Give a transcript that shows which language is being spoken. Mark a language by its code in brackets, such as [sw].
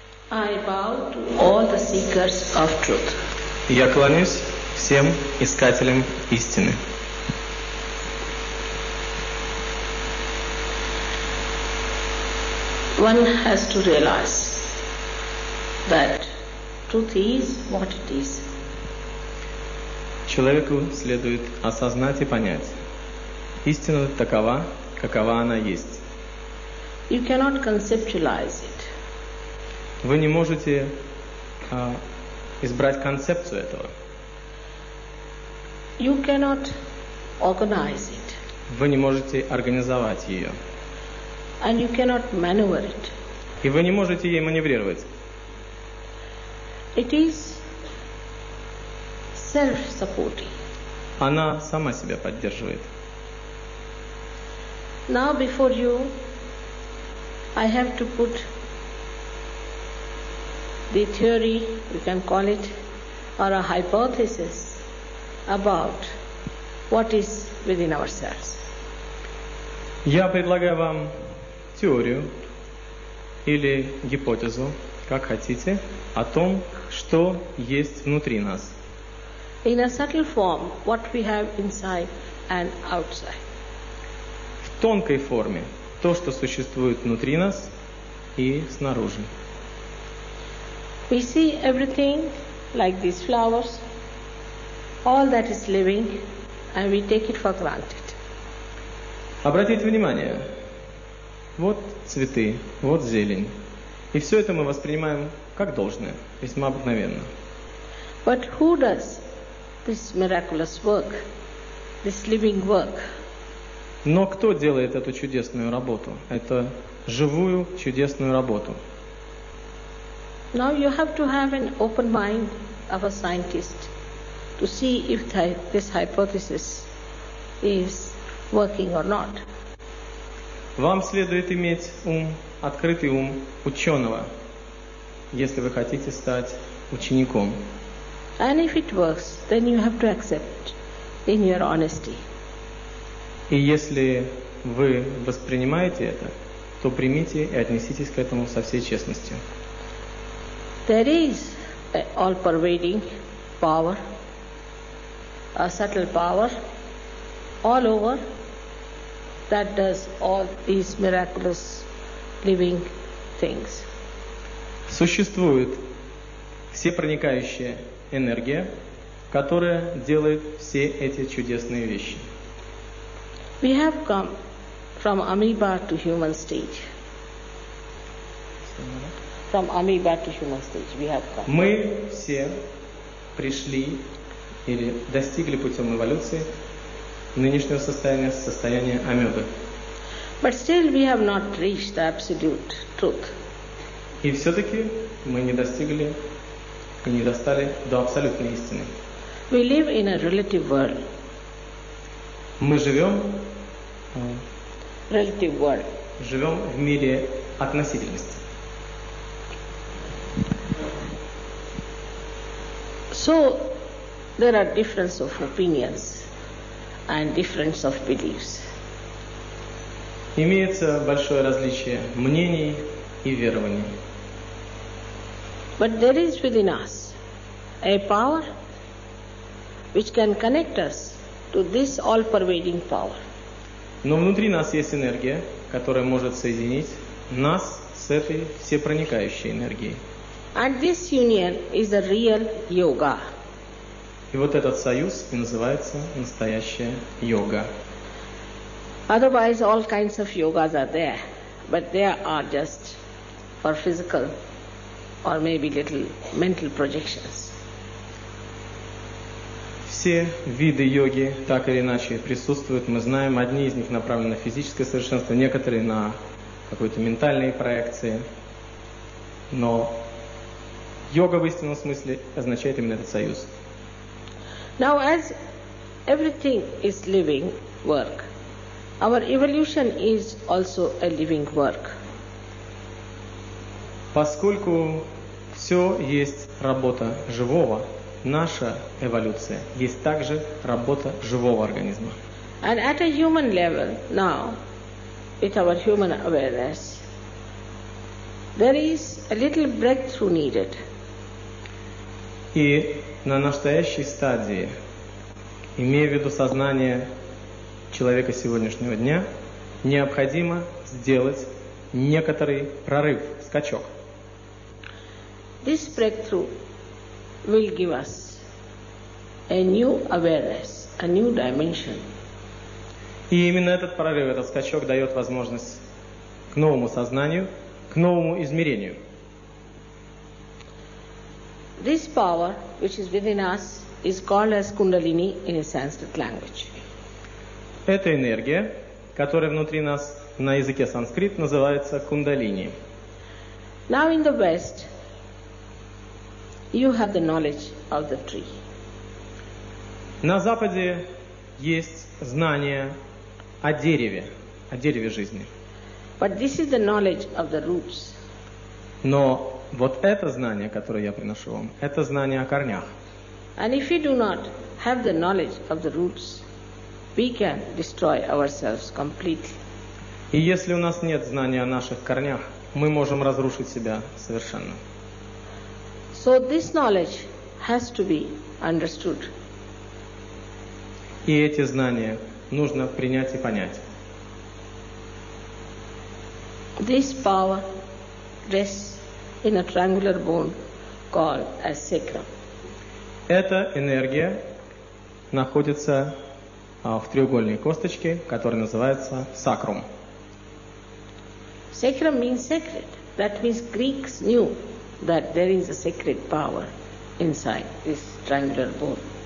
[en] I bow to all the seekers of truth. [ru] Я клонюсь всем искателям истины. [en] One has to realize that truth is what it is. [ru] Человеку следует осознать и понять, истина такова, какова она есть. [en] You cannot conceptualize it. [ru] Вы не можете избрать концепцию этого. [en] You cannot organize it. [ru] Вы не можете организовать ее. [en] And you cannot maneuver it. [ru] И вы не можете ей маневрировать. [en] It is self-supporting. [ru] Она сама себя поддерживает. [en] Now before you, I have to put the theory, we can call it, or a hypothesis about what is within ourselves. [ru] Я предлагаю вам теорию или гипотезу, как хотите, о том, что есть внутри нас. [en] In a subtle form, what we have inside and outside. [ru] В тонкой форме то, что существует внутри нас и снаружи. [en] We see everything like these flowers, all that is living, and we take it for granted. [ru] Обратите внимание. Вот цветы, вот зелень. И все это мы воспринимаем как должное, весьма обыкновенно. [en] But who does this miraculous work, this living work? [ru] Но кто делает эту чудесную работу, эту живую чудесную работу? [en] Now you have to have an open mind of a scientist to see if this hypothesis is working or not. [ru] Вам следует иметь ум, открытый ум ученого, если вы хотите стать учеником. [en] And if it works, then you have to accept in your honesty. [ru] И если вы воспринимаете это, то примите и отнеситесь к этому со всей честностью. [en] There is an all-pervading power, a subtle power, all over, that does all these miraculous living things. [ru] Существует всепроникающая энергия, которая делает все эти чудесные вещи. [en] We have come from amoeba to human stage. From amoeba to human stage, we have come. [ru] Мы все пришли или достигли путем эволюции нынешнего состояния, состояния амебы. [en] But still we have not reached the absolute truth. [ru] И все-таки мы не достигли и не достали до абсолютной истины. [en] We live in a relative world. [ru] Мы живем, [en] relative world. [ru] Живем в мире относительности. [en] So there are differences of opinions and differences of beliefs. [ru] Имеется большое различие мнений и верований. [en] But there is within us a power which can connect us to this all-pervading power. [ru] Но внутри нас есть энергия, которая может соединить нас с этой всепроникающей энергией. [en] And this union is a real yoga. [ru] И вот этот союз и называется настоящая йога. [en] Otherwise, all kinds of yogas are there, but they are just for physical or maybe little mental projections. [ru] Все виды йоги так или иначе присутствуют. Мы знаем, одни из них направлены на физическое совершенство, некоторые на какие-то ментальные проекции. Но йога в истинном смысле означает именно этот союз. [en] Now, as everything is living work, our evolution is also a living work. [ru] Поскольку все есть работа живого, наша эволюция есть также работа живого организма. [en] And at a human level now, with our human awareness, There is a little breakthrough needed. [ru] И на настоящей стадии, имея в виду сознание человека сегодняшнего дня, необходимо сделать некоторый прорыв, скачок. [en] This breakthrough will give us a new awareness, a new dimension. [ru] И именно этот прорыв, этот скачок дает возможность к новому сознанию, к новому измерению. [en] This power, which is within us, is called as Kundalini in a Sanskrit language. [ru] Эта энергия, которая внутри нас на языке санскрит, называется Кундалини. [en] Now in the West, you have the knowledge of the tree. [ru] На Западе есть знание о дереве жизни. [en] But this is the knowledge of the roots. [ru] Но вот это знание, которое я приношу вам, это знание о корнях. [en] And if we do not have the knowledge of the roots, we can destroy ourselves completely. [ru] И если у нас нет знания о наших корнях, мы можем разрушить себя совершенно. [en] So this knowledge has to be understood. [ru] И эти знания нужно принять и понять. [en] This power rests in a triangular bone called as sacrum. [ru] Эта энергия находится в треугольной косточке, которая называется сакрум. [en] Sacrum means sacred. That means Greeks knew that there is a sacred power inside this triangular bone.